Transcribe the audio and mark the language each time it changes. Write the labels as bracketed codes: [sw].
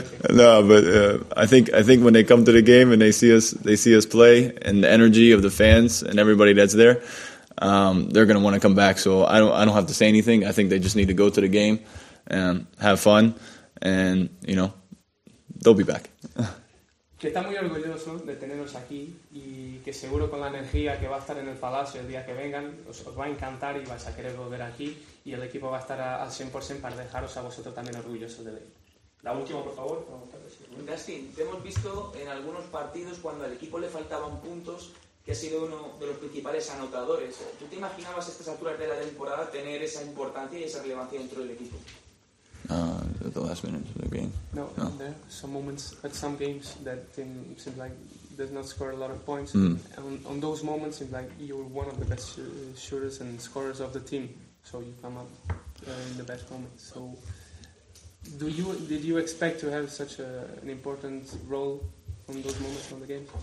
[en] No, but I think when they come to the game and they see us play and the energy of the fans and everybody that's there, they're gonna want to come back. So I don't have to say anything. I think they just need to go to the game and have fun, and you know, they'll be back. [es] Que está muy orgulloso de teneros aquí y que seguro con la energía que va a estar en el Palacio el día que vengan, os va a encantar y vais a querer volver aquí, y el equipo va a estar al 100% para dejaros a vosotros también orgullosos de él. La última, por favor. Dustin, te hemos visto en algunos partidos cuando al equipo le faltaban puntos, que ha sido uno de los principales anotadores. ¿Tú te imaginabas a estas alturas de la temporada tener esa importancia y esa relevancia dentro del equipo? [en] The last minutes of the game. No. There are some moments at some games that team seems like does not score a lot of points. Mm. On those moments, seems like you were one of the best shooters and scorers of the team. So you come up in the best moment. So, did you expect to have such an important role on those moments on the game?